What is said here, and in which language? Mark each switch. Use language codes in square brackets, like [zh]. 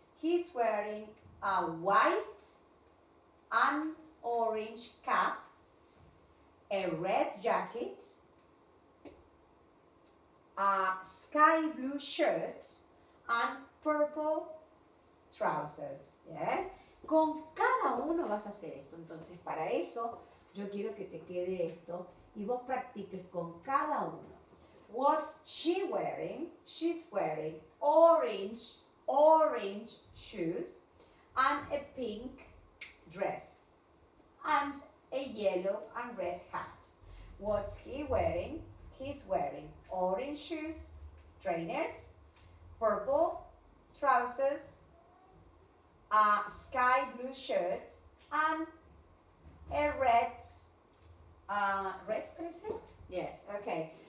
[en] He's wearing a white and orange cap, a red jacket, a sky blue shirt and purple trousers. [es] Yes? Con cada uno vas a hacer esto. Entonces, para eso, yo quiero que te quede esto. Y vos practiques con cada uno. [en] What's she wearing? She's wearing orange shoes and a pink dress and a yellow and red hat. What's he wearing? He's wearing orange shoes, trainers, purple trousers, a sky blue shirt and a red red person? Yes, okay.